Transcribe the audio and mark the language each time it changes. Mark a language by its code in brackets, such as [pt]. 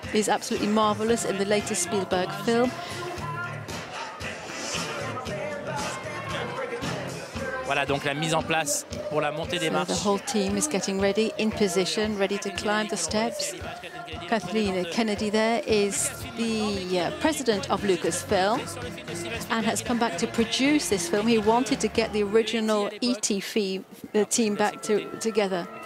[en] He's absolutely marvelous in the latest Spielberg film. [fr] Voilà donc la mise en place pour la montée des marches. [en] The whole team is getting ready, in position, ready to climb the steps. Kathleen Kennedy there is the president of Lucasfilm and has come back to produce this film. He wanted to get the original E.T. team back together.